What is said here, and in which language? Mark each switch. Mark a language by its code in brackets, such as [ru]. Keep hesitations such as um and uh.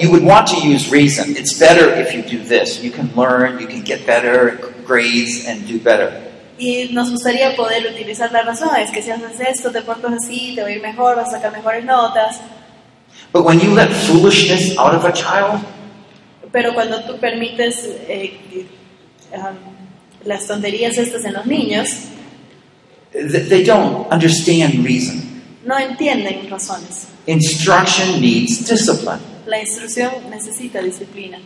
[en] you would want to use reason. It's better if you do this. You can learn, you can get better grades, and do better. [es] Y nos gustaría poder utilizar la razón, es que si haces esto, te portas así, te va mejor, vas a sacar mejores notas. [en] But when you let foolishness out of a [es] child, Pero cuando tú permites eh, um, las tonterías estas en los niños, [en] they don't understand reason. [es] No entienden razones. [en] Instruction needs discipline. [es] La instrucción necesita disciplina.